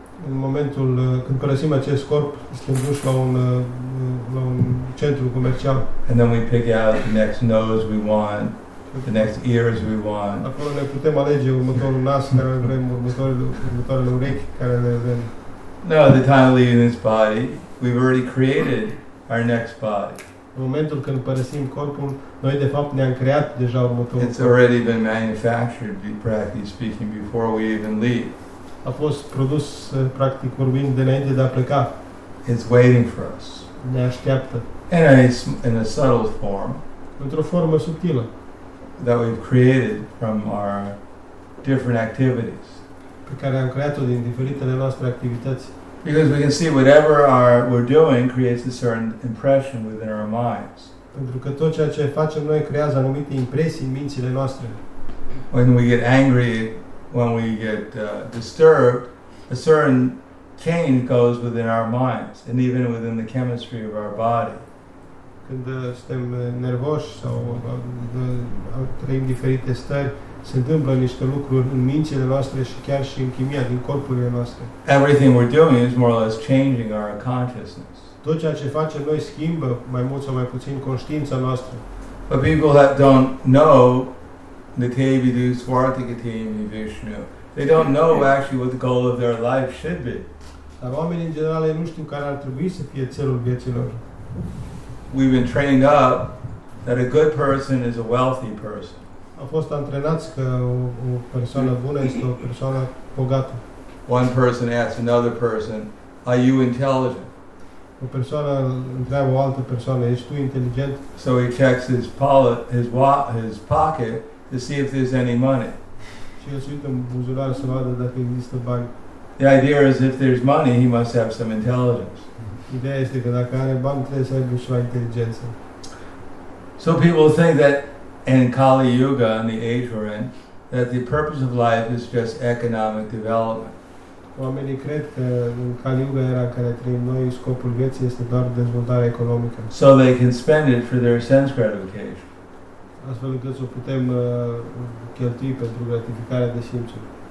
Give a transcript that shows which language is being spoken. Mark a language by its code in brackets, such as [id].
[ro] În momentul când părăsim acest corp, suntem duși la un centru comercial. [en] And then we pick out the next nose we want, the next ears we want. [ro] Acolo ne putem alege următorul nas care vrem, următoarele urechi care le vrem. [en] No, at the time of leaving this body, we've already created our next body. [ro] În momentul când părăsim corpul, noi de fapt ne-am creat deja următorul. [en] It's already been manufactured, practically speaking, before we even leave. [ro] A fost produs, practic vorbind, dinainte de a pleca. [en] It's waiting for us. [ro] Ne așteaptă. [en] And in a subtle form. [ro] Într-o formă subtilă. [en] That we've created from our different activities. [ro] Pe care am creat-o din diferitele noastre activități. [en] Because we can see whatever we're doing creates a certain impression within our minds. [ro] Pentru că tot ceea ce facem noi creează anumite impresii în mințile noastre. [en] When we get angry, when we get disturbed, a certain change goes within our minds and even within the chemistry of our body. [ro] Când suntem nervoși sau trăim diferite stări, se întâmplă niște lucruri în mințile noastre și chiar și în chimia din corpurile noastre. [en] Everything we're doing is more or less changing our consciousness. [ro] Tot ceea ce facem noi schimbă mai mult sau mai puțin conștiința noastră. [en] But people that don't know the [sa] Tevidu Swartikatini Vishnu, [en] they don't know actually what the goal of their life should be. [ro] Dar oamenii în general nu știu care ar trebui să fie țelul vieții lor. [en] We've been trained up that a good person is a wealthy person. [ro] A fost antrenat că o persoană bună este o persoană bogată. [en] One person asks another person, are you intelligent? [ro] O persoană, întreabă o altă persoană, ești tu inteligent? [en] So he checks his wallet, his pocket to see if there's any money. [ro] Și el se uită în buzunar să vadă dacă există bani. [en] The idea is if there's money, he must have some intelligence. [ro] Ideea este că dacă are bani, trebuie să aibă ceva inteligență. [en] So people think that in Kali Yuga, in the age we're in, that the purpose of life is just economic development. [ro] Oamenii cred că în Kali Yuga era care trăim noi, scopul vieții este doar dezvoltarea economică. [en] So they can spend it for their sense gratification. [ro] Astfel încât să o putem cheltui pentru gratificarea de simțuri.